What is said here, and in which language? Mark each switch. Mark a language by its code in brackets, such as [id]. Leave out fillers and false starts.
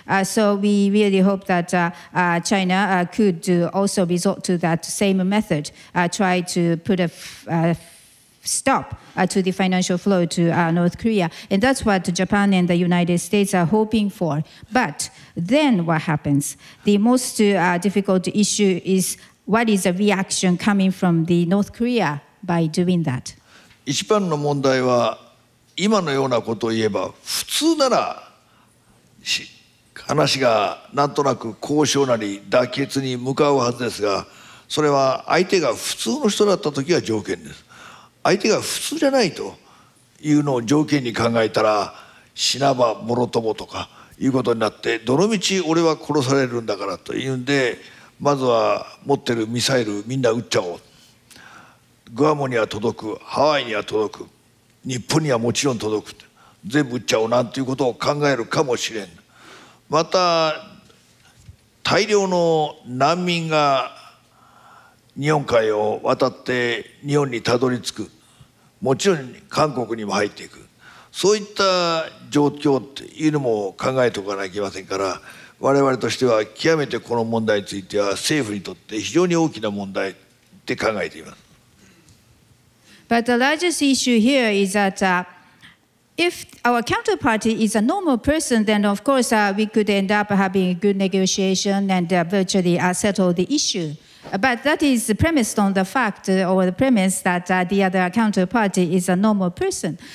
[en] So we really hope that China could also resort to that same method, try to put a stop to the financial flow to North Korea. And that's what Japan and the United States are hoping for. But then what happens? The most difficult issue is what is the reaction coming from the North Korea by doing that? [ja] 一番の問題は今のようなことを言えば、普通なら話がなんとなく交渉なり妥結に向かうはずですが、それは相手が普通の人だった時は条件です。相手が普通じゃないというのを条件に考えたら、死なばもろともとかいうことになって、どのみち俺は殺されるんだからというんで、まずは持ってるミサイルみんな撃っちゃおう、グアムには届く、ハワイには届く、日本にはもちろん届く、全部撃っちゃおうなんていうことを考えるかもしれん。また大量の難民が日本海を渡って日本にたどり着く、もちろん韓国にも入っていく、そういった状況っていうのも考えておかなきゃいけませんから、我々としては極めてこの問題については政府にとって非常に大きな問題って考えています。 [en] But the largest issue here is that if our counterparty is a normal person, then of course we could end up having a good negotiation and virtually settle the issue. But that is premised on the fact or the premise that the other counterparty is a normal person.